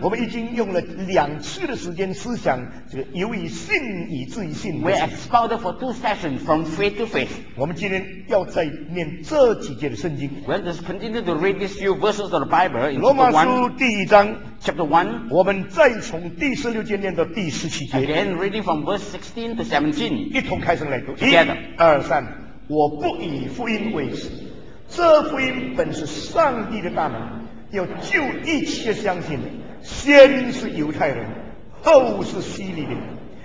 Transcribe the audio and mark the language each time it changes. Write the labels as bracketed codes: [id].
[zh] 我们已经用了两次的时间思想这个由于信以至于信。 [en] We expounded for two sessions from faith to faith. [zh] 我们今天要再念这几节的圣经。 [en] We're just continuing to read these few verses of the Bible in chapter one. [zh] 罗马书第一章。 [en] Chapter one. [zh] 我们再从第十六节念到第十七节。 [en] Again, reading from verse 16 to 17. [zh] 一同开声来读。 [en] Together. [zh] 一、二、三。我不以福音为耻。这福音本是上帝的大能，要救一切相信的，先是犹太人，后是希利人。